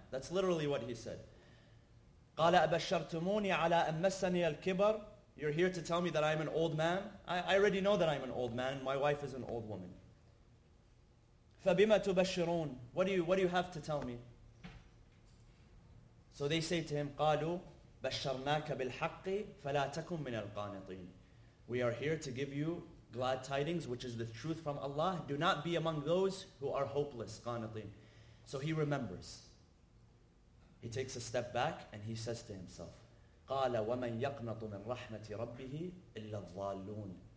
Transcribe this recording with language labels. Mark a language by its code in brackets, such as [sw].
[en] That's literally what he said. [ar] قَالَ أَبَشَّرْتُمُونِي عَلَىٰ أَمَّسَّنِيَ الْكِبَرِ. [en] You're here to tell me that I'm an old man? I already know that I'm an old man. My wife is an old woman. [ar] فَبِمَا تُبَشِّرُونَ. [en] What do you have to tell me? So they say to him, [ar] قَالُوا بَشَّرْنَاكَ بِالْحَقِّ فَلَا تَكُمْ مِنَ الْقَانِطِينَ. [en] We are here to give you glad tidings, which is the truth from Allah. Do not be among those who are hopeless, قَانِطِينَ. So he remembers. He takes a step back and he says to himself, [ar] قَالَ وَمَنْ يَقْنَطُ مِنْ رَحْمَةِ رَبِّهِ إِلَّا الظَّالُونَ.